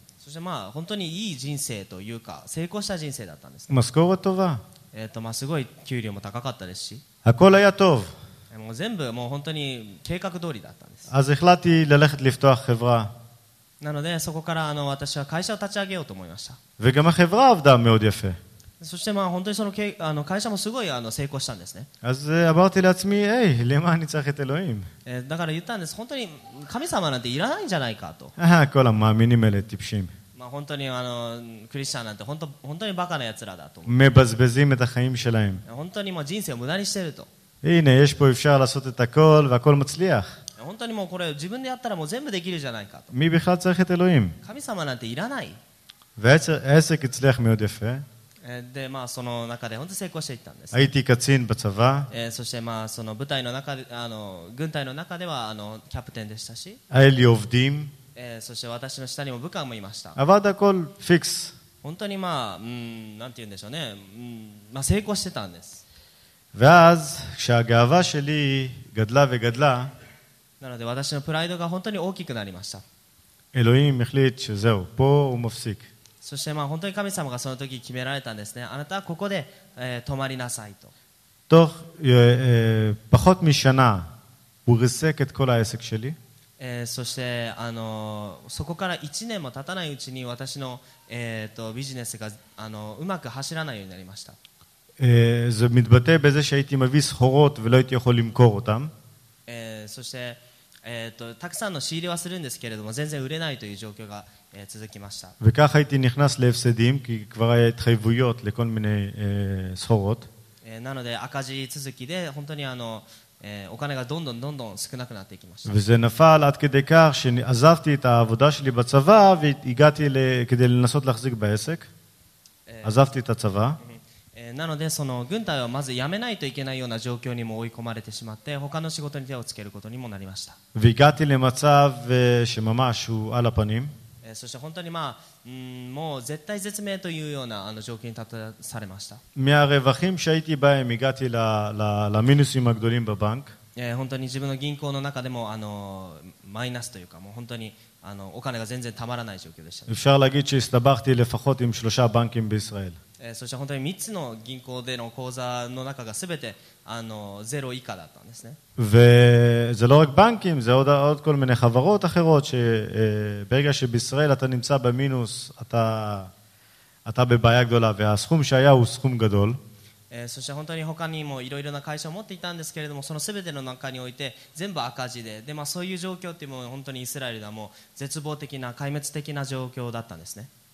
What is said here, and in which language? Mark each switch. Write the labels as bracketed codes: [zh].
[ja] そしてまあ本当にいい人生というか成功した人生だったんですね。 [he] マスコが טובה. [ja] まあすごい給料も高かったですし。 [he] הכל היה טוב. [ja] もう全部もう本当に計画通りだったんです。 [he] אז החלטתי ללכת לפתוח חברה. [ja] なのでそこからあの私は会社を立ち上げようと思いました。 [he] וגם החברה עבדה מאוד יפה. [ja] そしてまあ本当にそのあの会社もすごいあの成功したんですね。 [he] אז אמרתי לעצמי, hey, למה אני צריך את אלוהים? [ja] だから言ったんです。本当に神様なんていらないんじゃないかと。 [he] ああ、כל המאמינים האלה טיפשים. [ja] まあ本当にあのクリスチャンなんて本当にバカな奴らだと。 [he] מבזבזים את החיים שלהם. [ja] 本当にもう人生を無駄にしてると。 [he] הנה, יש פה אפשר לעשות את הכל והכל מצליח. [ja] 本当にもうこれ自分でやったらもう全部できるじゃないかと。 [he] מי בכלל צריך את אלוהים? [ja] 神様なんていらない。 [he] והעסק הצליח מאוד יפה. [ja] でまあその中で本当に成功していったんです。 [he] הייתי קצין בצבא. [ja] そしてまあその部隊の中であの軍隊の中ではあのキャプテンでしたし。 [he] היה לי עובדים. [ja] そして私の下にも部下もいました。 [he] עבד הכל פיקס. [ja] 本当にまあなんて言うんでしょうね、まあ、成功してたんです。 [he] ואז כשהגאווה שלי גדלה וגדלה. [ja] なので私のプライドが本当に大きくなりました。 [he] אלוהים החליט שזהו, פה הוא מפסיק. [ja] そしてまあ本当に神様がその時決められたんですね。あなたはここで止まりなさいと。 [he] פחות משנה הוא ריסק את כל העסק שלי. [ja] そしてあのそこから1年も経たないうちに私のビジネスがあのうまく走らないようになりました。 [he] זה מתבטא בזה שהייתי מביא סחורות ולא הייתי יכול למכור אותם. [ja] そしてたくさんの仕入れはするんですけれども全然売れないという状況が続きました。 [he] וכך הייתי נכנס להפסדים, כי כבר היה התחייבויות לכל מיני סחורות. [ja] なので赤字続きで本当にあの、お金がどんどんどんどん少なくなっていきました。 [he] וזה נפל עד כדי כך שעזבתי את העבודה שלי בצבא והגעתי כדי לנסות להחזיק בעסק. עזבתי את הצבא. [ja] なのでその軍隊をまず辞めないといけないような状況にも追い込まれてしまって他の仕事に手をつけることにもなりました。 [he] והגעתי למצב שממש הוא על הפנים. [ja] そして本当にまあもう絶対絶命というようなあの状況に立たされました。 [he] מהרווחים שהייתי בהם הגעתי למינוסים הגדולים בבנק. [ja] 本当に自分の銀行の中でもあのマイナスというかもう本当にあのお金が全然たまらない状況でした。 [he] אפשר להגיד שהסתבכתי לפחות עם 3 בנקים בישראל. [ja] そして本当に3つの銀行での口座の中が全てあのゼロ以下だったんですね。 [he] וזה לא רק בנקים, זה עוד כל מיני חברות אחרות שברגע שבישראל אתה נמצא במינוס, אתה בבעיה גדולה, והסכום שהיה הוא סכום גדול. [ja] そして本当に他にもいろいろな会社を持っていたんですけれども、その全ての中において全部赤字で、でまあそういう状況っていうのも本当にイスラエルではもう絶望的な壊滅的な状況だったんですね。